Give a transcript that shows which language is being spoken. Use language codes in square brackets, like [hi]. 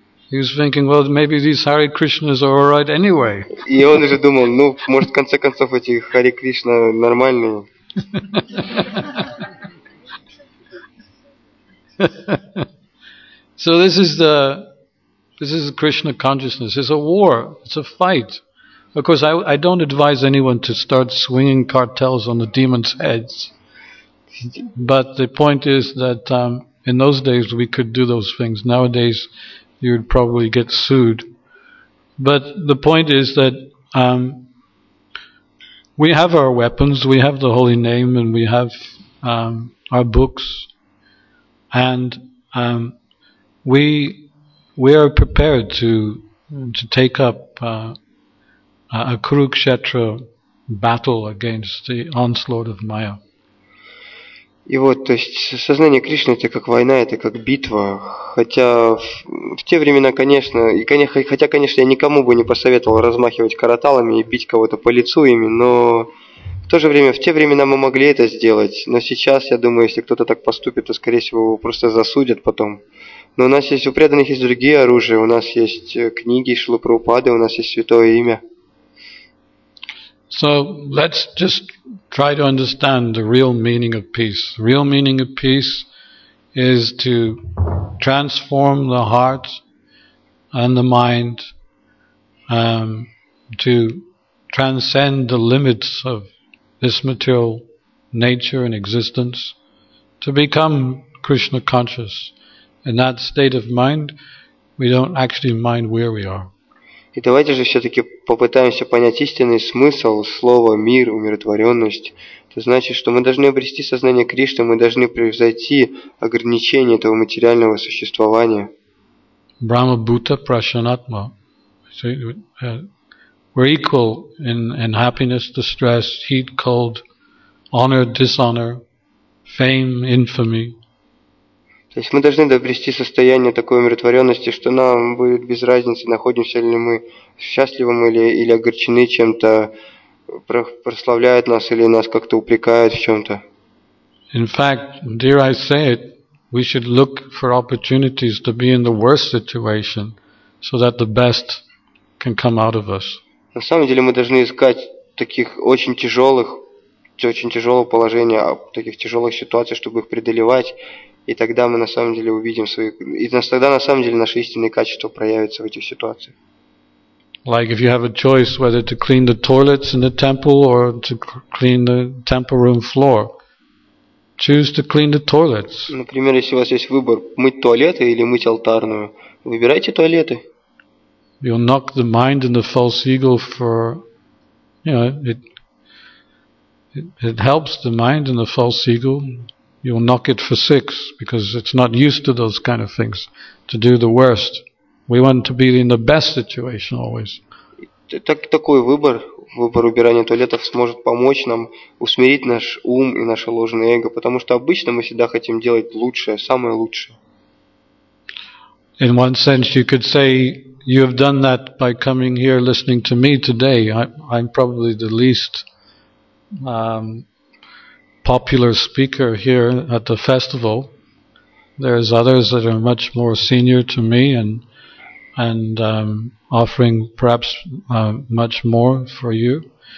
[en] He was thinking, well, maybe these Hare Krishnas are all right anyway. [ru] И он уже думал, ну, может, в конце концов эти Hare Krishna нормальные. [en] So this is Krishna consciousness. It's a war. It's a fight. Of course, I don't advise anyone to start swinging cartels on the demons' heads. But the point is that in those days we could do those things. Nowadays you'd probably get sued. But the point is that we have our weapons, we have the holy name, and we have our books, and we are prepared to take up a Kurukshetra battle against the onslaught of Maya. [ru] И вот, то есть сознание Кришны это как война, это как битва. Хотя в те времена, конечно, и хотя, конечно, я никому бы не посоветовал размахивать караталами и бить кого-то по лицу ими, но в то же время, в те времена мы могли это сделать. Но сейчас, я думаю, если кто-то так поступит, то, скорее всего, его просто засудят потом. Но у нас есть, у преданных есть другие оружия, у нас есть книги Шрилы Прабхупады, у нас есть святое имя. [en] So let's just try to understand the real meaning of peace. The real meaning of peace is to transform the heart and the mind, to transcend the limits of this material nature and existence, to become Krishna conscious. In that state of mind, we don't actually mind where we are. [ru] И давайте же все-таки попытаемся понять истинный смысл слова «мир», «умиротворенность». Это значит, что мы должны обрести сознание Кришны, мы должны превзойти ограничения этого материального существования. [sa] Brahma Bhuta Prashanatma. [en] So, we're equal in happiness, distress, heat, cold, honor, dishonor, fame, infamy. [ru] То есть мы должны добрести состояние такой умиротворенности, что нам будет без разницы, находимся ли мы счастливым или огорчены чем-то, прославляют нас или нас как-то упрекают в чем-то. [en] In fact, dare I say it, we should look for opportunities to be in the worst situation, so that the best can come out of us. [ru] На самом деле мы должны искать таких очень тяжелого положения, таких тяжелых ситуаций, чтобы их преодолевать. И тогда мы на самом деле увидим свои, и тогда на самом деле наши истинные качества проявятся в этих ситуациях. [en] Like if you have a choice whether to clean the toilets in the temple or to clean the temple room floor, choose to clean the toilets. [ru] Например, если у вас есть выбор мыть туалеты или мыть алтарную, выбирайте туалеты. [en] You'll knock the mind and the false ego for, you know, it helps the mind and the false ego. You'll knock it for six because it's not used to those kind of things, to do the worst. We want to be in the best situation always. [ru] Такой выбор убирания туалетов сможет помочь нам усмирить наш ум и наше ложное эго, потому что обычно мы всегда хотим делать лучшее, самое лучшее. [en] In one sense, you could say you have done that by coming here, listening to me today. I'm probably the least popular speaker here at the festival. There's others that are much more senior to me and offering perhaps much more for you.